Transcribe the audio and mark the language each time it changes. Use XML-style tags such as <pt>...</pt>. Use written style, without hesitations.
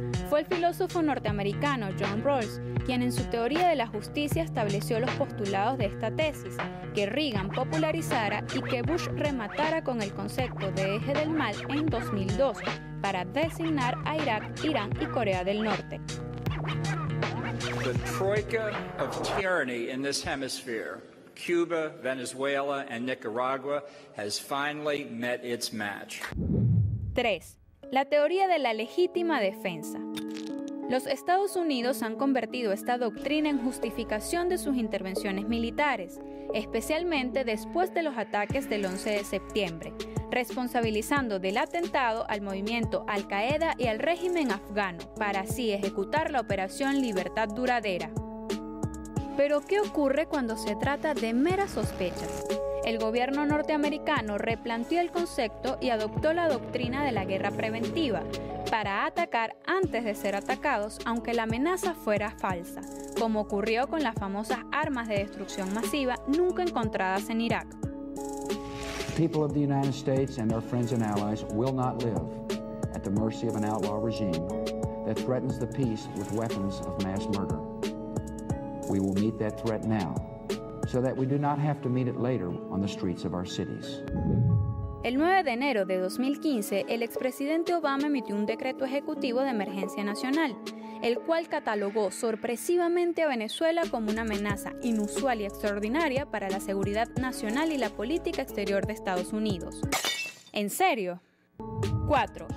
<es>fue el filósofo norteamericano John Rawls quien en su teoría de la justicia estableció los postulados de esta tesis, que Reagan popularizara y que Bush rematara con el concepto de eje del mal en 2002 para designar a Irak, Irán y Corea del Norte.</es> <en>The troika of tyranny in this hemisphere, Cuba, Venezuela and Nicaragua, has finally met its match.</en> <es>3. La teoría de la legítima defensa. Los Estados Unidos han convertido esta doctrina en justificación de sus intervenciones militares, especialmente después de los ataques del 11 de septiembre, responsabilizando del atentado al movimiento Al-Qaeda y al régimen afgano, para así ejecutar la Operación Libertad Duradera. ¿Pero qué ocurre cuando se trata de meras sospechas? El gobierno norteamericano replanteó el concepto y adoptó la doctrina de la guerra preventiva para atacar antes de ser atacados, aunque la amenaza fuera falsa, como ocurrió con las famosas armas de destrucción masiva nunca encontradas en Irak.</es> <en>People of the United States and their friends and allies will not live at the mercy of an outlaw regime that threatens the peace with weapons of mass murder. We will meet that threat now, so that we do not have to meet it later on the streets of our cities.</en> <es>El 9 de enero de 2015, el expresidente Obama emitió un decreto ejecutivo de emergencia nacional, el cual catalogó sorpresivamente a Venezuela como una amenaza inusual y extraordinaria para la seguridad nacional y la política exterior de Estados Unidos. ¿En serio? 4.</es>